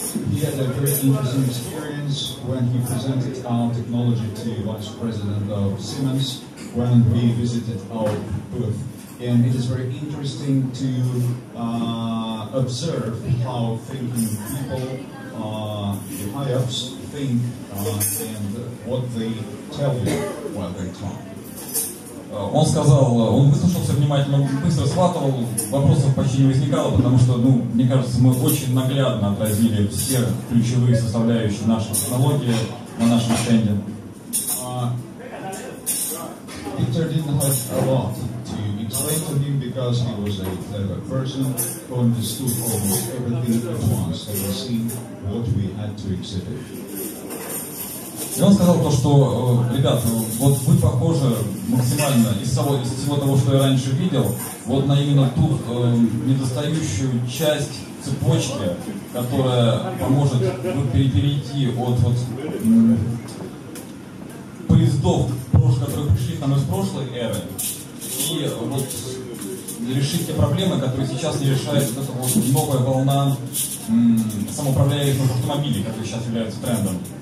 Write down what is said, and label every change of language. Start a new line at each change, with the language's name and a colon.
English: He had a very interesting experience when he presented our technology to Vice President of Siemens when he visited our booth. And it is very interesting to observe how thinking people, the high-ups, think and what they tell you while they talk.
Russian: Он сказал, он выслушался внимательно, быстро схватывал, вопросов почти не возникало, потому что, ну, мне кажется, мы очень наглядно отразили все ключевые составляющие нашей технологии на нашем стенде.
English: Peter didn't have a lot to explain to him because he was a clever person who understood almost everything at once that was seen what we had to exhibit.
Russian: И он сказал то, что, ребят, вот вы похожи максимально из всего того, что я раньше видел, вот на именно ту недостающую часть цепочки, которая поможет перейти от вот поездов, которые пришли к нам из прошлой эры, и вот решить те проблемы, которые сейчас не решает вот эта вот новая волна самоуправляемых автомобилей, которые сейчас являются трендом.